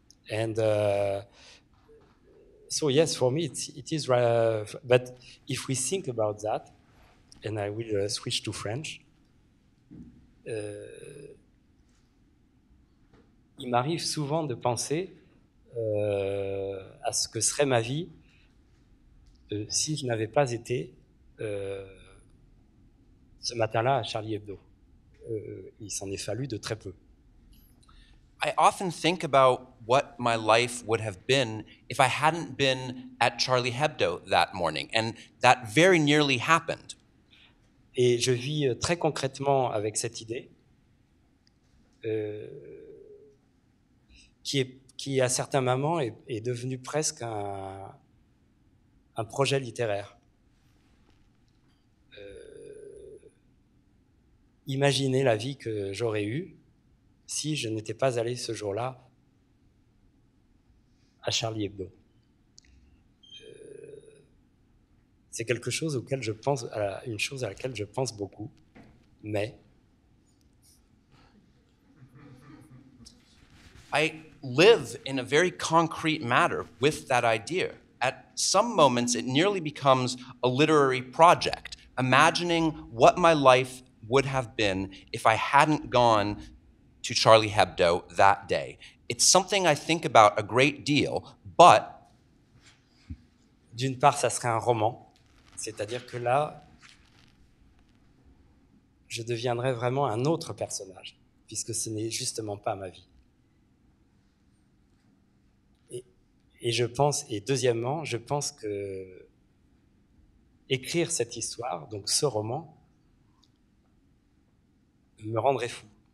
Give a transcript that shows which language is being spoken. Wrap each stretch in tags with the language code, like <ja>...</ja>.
<en>And so yes, for me it is. But if we think about that, and I will switch to French.</en> <fr>Il m'arrive souvent de penser à ce que serait ma vie si je n'avais pas été ce matin-là à Charlie Hebdo. Il s'en est fallu de très peu.</fr> <en>I often think about what my life would have been if I hadn't been at Charlie Hebdo that morning, and that very nearly happened.</en> <fr>Et je vis très concrètement avec cette idée qui à certains moments est devenue presque un projet littéraire. Imaginez la vie que j'aurais eue si je n'étais pas allé ce jour-là à Charlie Hebdo. C'est quelque chose auquel je pense, une chose à laquelle je pense beaucoup, mais...</fr> <en>I live in a very concrete matter with that idea. At some moments, it nearly becomes a literary project, imagining what my life would have been if I hadn't gone to Charlie Hebdo that day. It's something I think about a great deal, but...</en> <fr>D'une part, ça serait un roman. C'est-à-dire que là, je deviendrais vraiment un autre personnage, puisque ce n'est justement pas ma vie. Et deuxièmement, je pense que écrire cette histoire, donc ce roman, me rendrait fou.</fr>